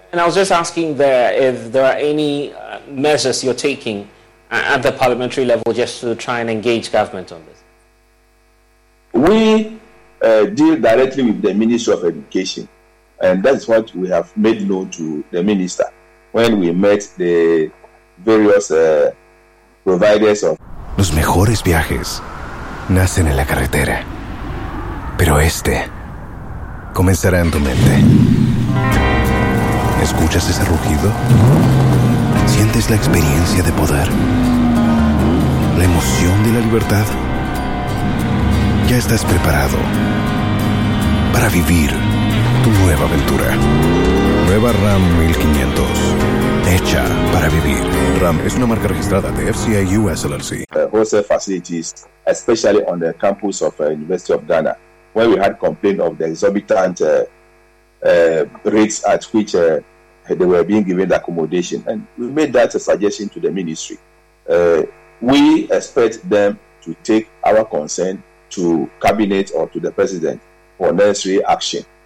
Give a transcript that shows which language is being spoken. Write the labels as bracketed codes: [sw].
[en] And I was just asking there if there are any measures you're taking at the parliamentary level just to try and engage government on this. We deal directly with the Ministry of Education, and that's what we have made known to the minister when we met the various providers of. [es] Los mejores viajes nacen en la carretera, pero este comenzará en tu mente. ¿Escuchas ese rugido? ¿Sientes la experiencia de poder? ¿La emoción de la libertad? Ya estás preparado para vivir tu nueva aventura. Nueva Ram 1500. Hecha para vivir. Ram es una marca registrada de FCA US LLC. [en] Wholesale facilities, especially on the campus of the University of Ghana, where we had complained of the exorbitant rates at which they were being given the accommodation. And we made that a suggestion to the ministry. We expect them to take our concern to cabinet or to the president for necessary action.